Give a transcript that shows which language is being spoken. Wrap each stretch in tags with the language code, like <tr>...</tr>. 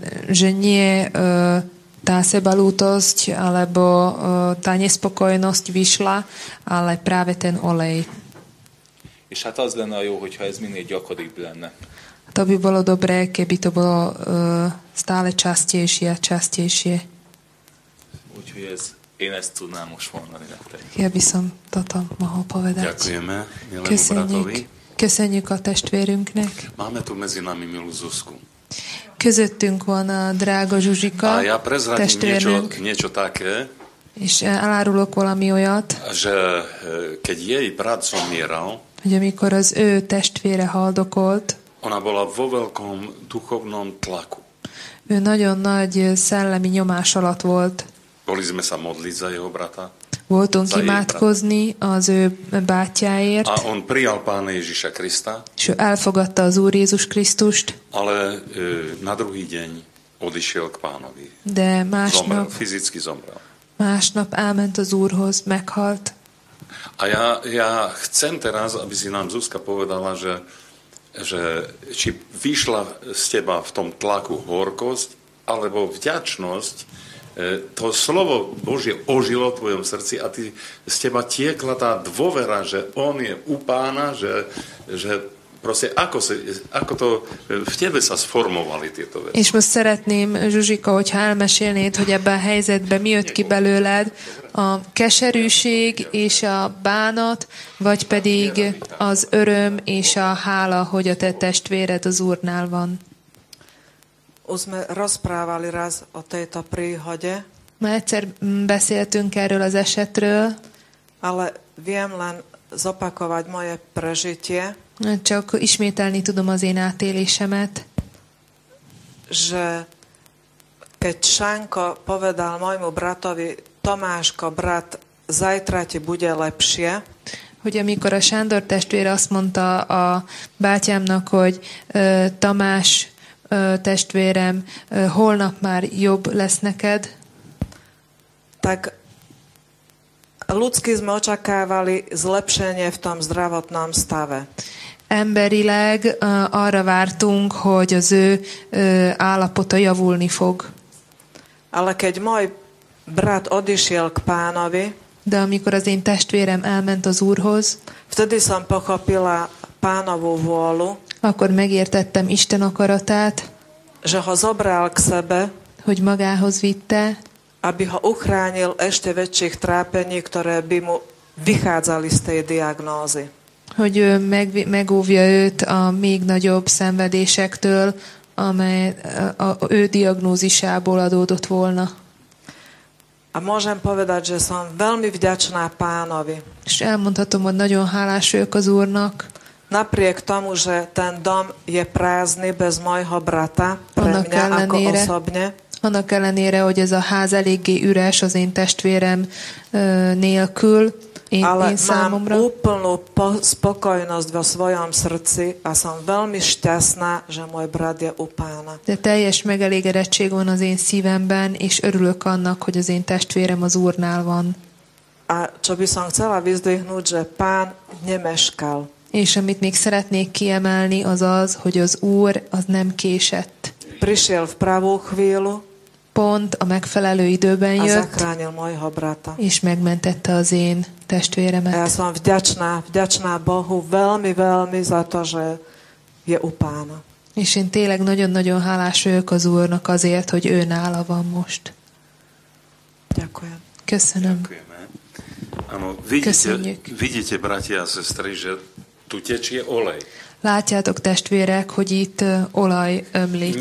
<sk>Že nie tá sebalútosť alebo tá nespokojnosť vyšla, ale práve ten olej.</sk> <hu>És hát az lenne jó, hogyha ez minél gyakoribb lenne.</hu> <sk>To by bolo dobré, keby to bolo stále častejšie a častejšie.</sk> <hu>Úgyhogy ez, én ezt tudnám most mondani nektek.</hu> <sk>Ja by som toto mohol povedať. Ďakujeme, milému bratovi.</sk> <hu>Köszönjük a testvérünknek.</hu> <sk>Máme tu medzi nami milú Zuzku.</sk> <hu>Közöttünk van a drága Zsuzsika.</hu> <sk>A ja prezradím niečo také.</sk> <hu>És elárulok valami olyat.</hu> <sk>Že keď jej brat zomieral.</sk> <hu>Hogy amikor az ő testvére haldokolt.</hu> <sk>Ona bola vo veľkom duchovnom tlaku.</sk> <hu>Ő nagyon nagy szellemi nyomás alatt volt.</hu> <sk>Boli sme sa modliť za jeho brata.</sk> <hu>Voltunk imádkozni az ő bátyáért.</hu> <sk>A on prijal Pána Ježiša Krista.</sk> <hu>És elfogadta az Úr Jézus Krisztust.</hu> <sk>Ale na druhý deň odišiel k Pánovi.</sk> <hu>De másnap.</hu> <sk>Zomrel, fyzicky zomrel.</sk> <hu>Másnap elment az Úrhoz, meghalt.</hu> <sk>A ja chcem teraz, aby si nám Zuzka povedala, že či vyšla z teba v tom tlaku horkosť, alebo vďačnosť, to slovo Božie ožilo v tvojom srdci a ty, z teba tiekla tá dôvera, že on je u Pána, že proste ako to v tebe sa sformovali tieto veci.</sk> <hu>És most szeretném, Zsuzsika, hogyha elmesélnéd, hogy ebben a helyzetben mi jött ki belőled, a keserűség és a bánat, vagy pedig az öröm és a hála, hogy a te testvéred az Úrnál van.</hu> <sk>Už sme rozprávali raz o tejto príhode.</sk> <hu>Ma egyszer beszéltünk erről az esetről.</hu> <sk>Ale viem len zopakovať moje prežitie.</sk> <hu>Csak ismételni tudom az én átélésemet.</hu> <sk>Že keď Sanko povedal môjmu bratovi, Tomáško, brat, zajtra ti bude lepšie.</sk> <hu>Hogy amikor a Sándor testvér azt mondta a bátyámnak, hogy Tamás, testvérem, holnap már jobb lesz neked.</hu> <sk>Tak ľudsky sme očakávali zlepšenie v tom zdravotnom stave.</sk> <hu>Emberileg arra vártunk, hogy az ő állapota javulni fog.</hu> <sk>Ale keď môj brat odišiel k Pánovi,</sk> <hu>de amikor az én testvérem elment az Úrhoz,</hu> <sk>vtedy som pochopila Pánovu vôľu,</sk> <hu>akkor megértettem Isten akaratát,</hu> <sk>že ho zobral k sebe,</sk> <hu>hogy magához vitte,</hu> <sk>aby ho uchránil ešte väčších trápení, ktoré by mu vychádzali z tej diagnózy.</sk> <hu>Hogy megúvja őt a még nagyobb szenvedésektől, amely ő diagnózisából adódott volna.</hu> <sk>A môžem povedať, že som veľmi vďačná Pánovi.</sk> <hu>És elmondhatom, hogy nagyon hálás vagyok az Úrnak.</hu> <sk>Napriek tomu, že ten dom je prázdny bez mojho brata, pre mňa</sk> <hu>ellenére,</hu> <sk>ako osobne.</sk> <hu>Annak ellenére, hogy ez a ház eléggé üres az én testvérem nélkül, én számomra.</hu> <sk>Ale mám úplnú spokojnosť vo svojom srdci a som veľmi šťastná, že môj brat je u Pána.</sk> <hu>De teljes megelégedettség van az én szívemben, és örülök annak, hogy az én testvérem az Úrnál van.</hu> <sk>A čo by som chcela vyzdvihnúť, že Pán nemeškal.</sk> <hu>És amit még szeretnék kiemelni, az az, hogy az Úr az nem késett.</hu> <sk>Prišiel v pravú chvíľu.</sk> <hu>Pont a megfelelő időben jött.</hu> <sk>A zachránil mojho brata.</sk> <hu>És megmentette az én testvéremet.</hu> <sk>Ja som vďačná, vďačná Bohu veľmi, veľmi za to, že je u Pána.</sk> <hu>És én tényleg nagyon-nagyon hálás vagyok az Úrnak azért, hogy ő nála van most.</hu> <sk>Ďakujem.</sk> <hu>Köszönöm.</hu> <sk>Áno, vidíte, bratia a sestry, že tu tečie olej.</sk> <hu>Látjátok, testvérek, hogy itt olaj ömlik.</hu>